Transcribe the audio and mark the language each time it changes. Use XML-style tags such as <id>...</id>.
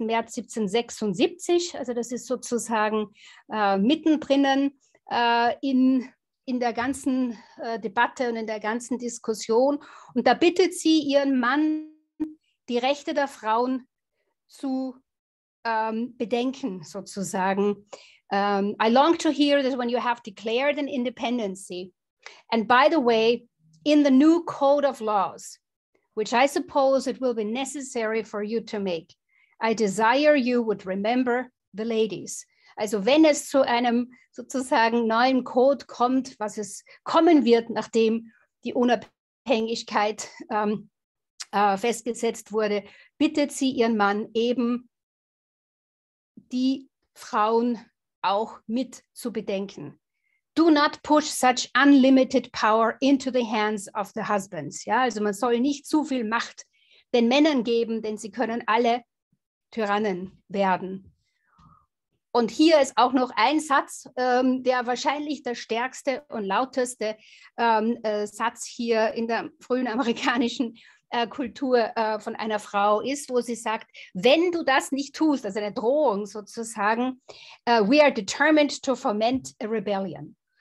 <de>März 1776, also das ist sozusagen mittendrin in der ganzen Debatte und in der ganzen Diskussion. Und da bittet sie ihren Mann, die Rechte der Frauen zu bedenken, sozusagen.</de> <en>I long to hear that when you have declared an independency, and by the way, in the new code of laws, which I suppose it will be necessary for you to make, I desire you would remember the ladies.</en> <de>Also wenn es zu einem sozusagen neuen Code kommt, was es kommen wird, nachdem die Unabhängigkeit festgesetzt wurde, bittet sie ihren Mann eben, die Frauen auch mit zu bedenken.</de> <en>Do not push such unlimited power into the hands of the husbands.</en> <de>Ja, also man soll nicht zu viel Macht den Männern geben, denn sie können alle Tyrannen werden. Und hier ist auch noch ein Satz, der wahrscheinlich der stärkste und lauteste Satz hier in der frühen amerikanischen Kultur von einer Frau ist, wo sie sagt, wenn du das nicht tust, also eine Drohung sozusagen,</de> <en>we are determined to foment a rebellion.</en>